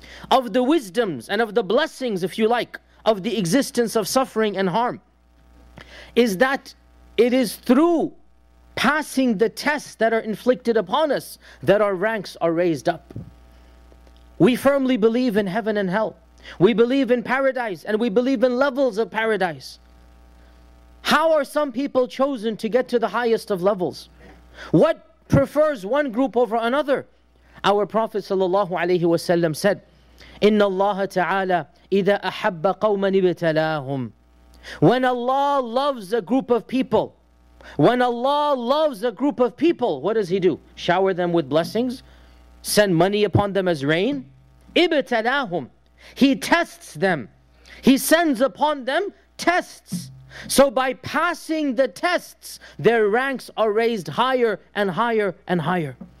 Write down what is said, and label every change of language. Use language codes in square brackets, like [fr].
[en] Of the wisdoms and of the blessings, if you like, of the existence of suffering and harm, is that it is through passing the tests that are inflicted upon us that our ranks are raised up. We firmly believe in heaven and hell. We believe in paradise and we believe in levels of paradise. How are some people chosen to get to the highest of levels? What prefers one group over another? Our Prophet ﷺ said, [ar] إِنَّ اللَّهَ تَعَالَى إِذَا أَحَبَّ قَوْمًا إِبْتَلَاهُمْ. [en] When Allah loves a group of people, when Allah loves a group of people, what does He do? Shower them with blessings, send money upon them as rain. إِبْتَلَاهُمْ. He tests them. He sends upon them tests. So by passing the tests, their ranks are raised higher and higher and higher.